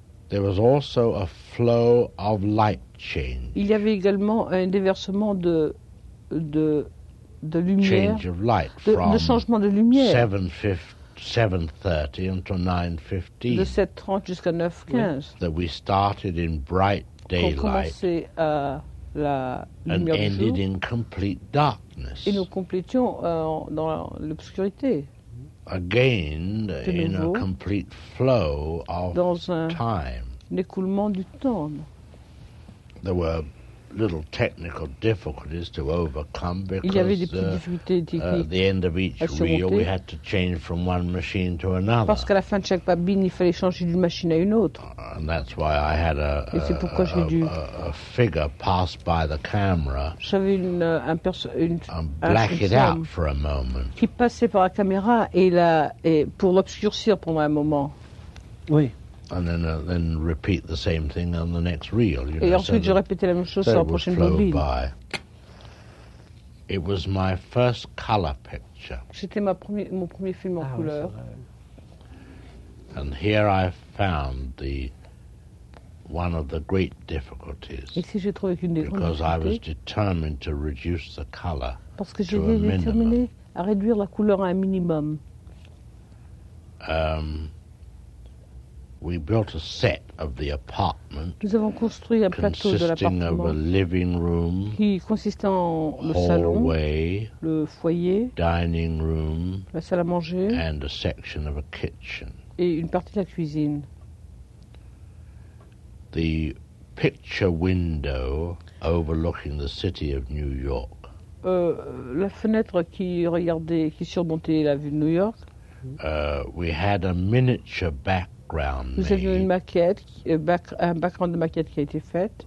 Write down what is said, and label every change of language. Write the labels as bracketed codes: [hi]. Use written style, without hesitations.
[en] There was also a flow of light change. [fr] Il y avait également un déversement de lumière, [en] change of light from [fr] de changement de lumière. [en] 7:30 until 9:15. [fr] De 7:30 jusqu'à 9:15. [en] That we started in bright daylight. [fr] Qu'on commençait la lumière du jour. [en] And ended in complete darkness. [fr] Et nous complétions dans l'obscurité. [en] Again, [fr] nouveau, [en] in a complete flow of [fr] dans [en] time. [fr] Un écoulement du temps. [en] There were little technical difficulties to overcome because [fr] il y avait des petites difficultés techniques [en] at the end of each reel we had to change from one machine to another. [fr] Parce qu'à la fin de chaque bobine, il fallait changer d'une machine à une autre. [en] And that's why I had a figure pass by the camera. [fr] J'avais une [en] blacked out for a moment. [fr] Qui passait par la caméra et pour l'obscurcir pendant un moment. Oui. [en] And then repeat the same thing on the next reel. You [fr] et [en] know, [fr] ensuite, [en] so [fr] je répétais la même chose [en] so [fr] sur la prochaine bobine. [en] By. It was my first color picture. [fr] C'était mon premier film en couleur. [en] And here I found one of the great difficulties. [fr] Ici, j'ai trouvé qu'une des grandes difficultés. [en] Because I was determined to reduce the color. [fr] Parce que j'étais déterminé à réduire la couleur à un minimum. [en] We built a set of the apartment. [fr] Nous avons construit un plateau de l'appartement. [en] Consisting of a living room. [fr] Qui consistait en le salon. [en] Hallway. [fr] Le foyer. [en] Dining room. [fr] La salle à manger. [en] And a section of a kitchen. [fr] Et une partie de la cuisine. [en] The picture window overlooking the city of New York. [fr] La fenêtre qui surmontait la vue de New York. [en] We had a miniature back. [fr] Nous avions une maquette, un background de maquette qui a été faite.